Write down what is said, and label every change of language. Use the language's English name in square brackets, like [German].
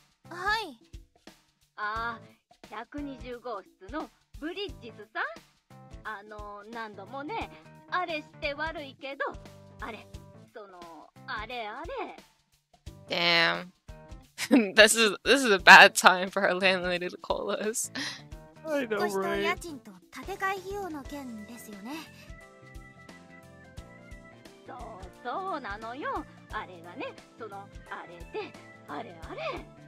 [Japanese] はい。ああ、120号室のブリッジスさん。何度もね、あれして悪いけど、あれ、あれあれ。 [English] Damn. this is a bad time for our landlady to call us. I know, right? [Japanese] 引っ越しと家賃と建て替え費用の件ですよね。そう、そうなのよ。あれがね、あれで、あれあれ。